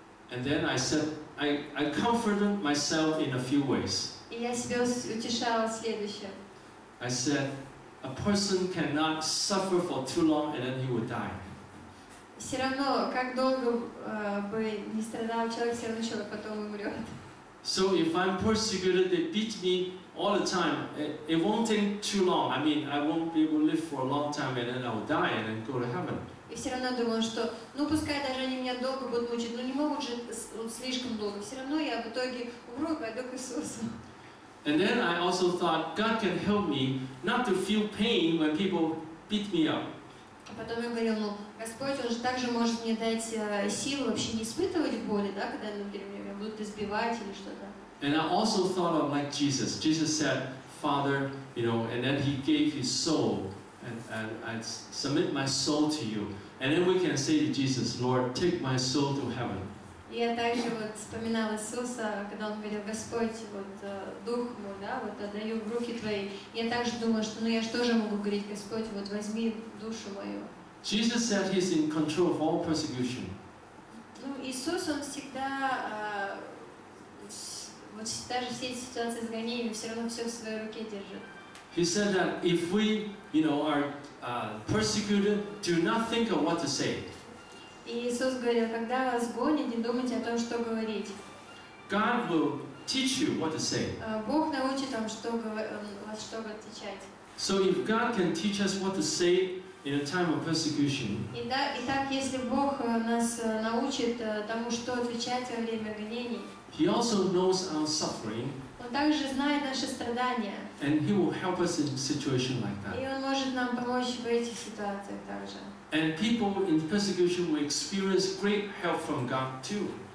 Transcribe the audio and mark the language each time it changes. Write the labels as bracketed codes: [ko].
[en] And then I said, I comforted myself in a few ways. I said, a person cannot suffer for too long and then he would die. [ru] Все равно, как долго бы не страдал человек, все равно человек потом умрет. [en] So if I'm persecuted, they beat me all the time. It won't take too long. I mean, I won't be able to live for a long time, and then I'll die and then go to heaven. [ru] И все равно думаю, что, ну пускай даже они меня долго будут мучить, но не могут же слишком долго. Все равно я в итоге умру, пойду к Иисусу. [en] And then I also thought God can help me not to feel pain when people beat me up. [ru] А потом я говорил, ну, Господь, Он же также может мне дать силу вообще не испытывать боли, да, когда, например, меня будут избивать или что-то. [en] And I also thought of like Jesus. Jesus said, Father, you know, and then He gave His soul, and I submit my soul to You. And then we can say to Jesus, Lord, take my soul to heaven. [ru] Я также вот вспоминала Иисуса, когда Он говорил, Господь, вот дух мой, да, вот отдаю в руки Твои. Я также думала, что, ну, я же тоже могу говорить, Господь, вот возьми душу мою. [en] Jesus said He's in control of all persecution. [ru] Ну, Иисус, Он всегда, вот даже все эти ситуации с гонениями, все равно все в Своей руке держит. [en] He said that if we, you know, are persecuted, do not think of what to say. [ru] И Иисус говорил, когда вас гонят, не думайте о том, что говорить. [en] God will teach you what to say. [ru] Бог научит вам, что вас что отвечать. [en] So if God can teach us what to say in a time of persecution. [ru] И так, если Бог нас научит тому, что отвечать во время гонений. [en] He also knows our suffering. [ru] Он также знает наши страдания. [en] And He will help us in a situation like that. [ru] И Он может нам помочь в этих ситуациях также. [en] And people in persecution will experience great help from God too.